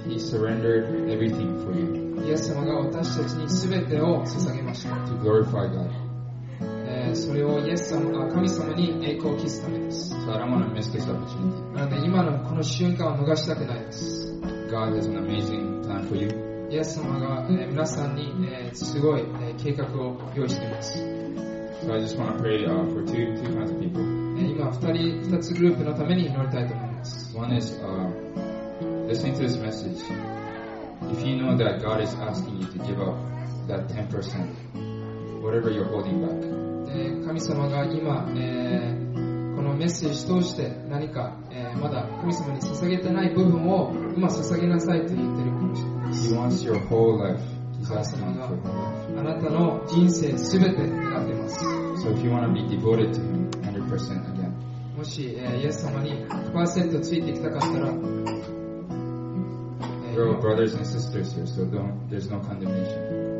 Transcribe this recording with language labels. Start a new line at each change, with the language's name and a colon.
English: He surrendered everything for you.
Japanese: イエス様が私たちに全てを捧げました。
English: To glorify God.
Japanese: それをイエス様が神様に栄光を期すためです。
English: So、I don't want to miss this opportunity.
Japanese: なので今のこの瞬間を逃したくないです。
English: God has an amazing plan for you.
Japanese: イエス様が皆さんにすごい計画を用意しています。
English: So、I just want to pray for two kinds of people.
Japanese: 今二つグループのために祈りたいと思います。
English: One is listening to this message. If you know that God is asking you to give up that 10%, whatever you're holding back.
Japanese: 神様が今、このメッセージ通して何か、まだ神様に捧げてない部分を今捧げなさいと言っているかもしれません。
English: He wants your whole life. He's asking for your life.
Japanese: あなたの人生すべて願っています。
English: So if you want to be devoted to him 100% again.
Japanese: もし、イエス様に 100% ついていきたかったら、
English: We're all brothers and sisters here, so there's no condemnation.